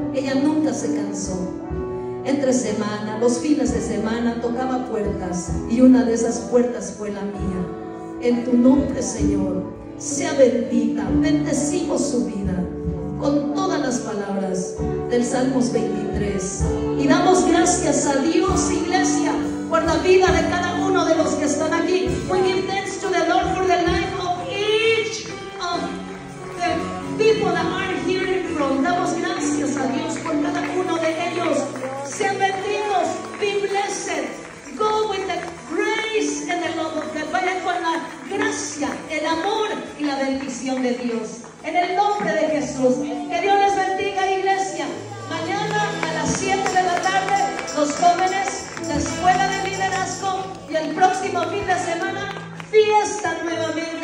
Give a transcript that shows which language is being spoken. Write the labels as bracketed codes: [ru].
[es] Ella nunca se cansó. Entre semana, los fines de semana, tocaba puertas, y una de esas puertas fue la mía. En tu nombre, Señor, sea bendita, bendecimos su vida con todas las palabras del Salmos 23, y damos gracias a Dios, iglesia, por la vida de cada uno de los que están aquí. [en] We give thanks to the Lord for the life of each of the people that are here in front. [es] Damos gracias a Dios por cada uno de ellos. Sean benditos, [en] be blessed, go with the grace and the love of God. [es] Vaya con la gracia, el amor y la bendición de Dios, en el nombre de Jesús. Que Dios les bendiga, iglesia. Mañana a las 7 de la tarde, los jóvenes, la escuela de liderazgo, y el próximo fin de semana, fiesta nuevamente.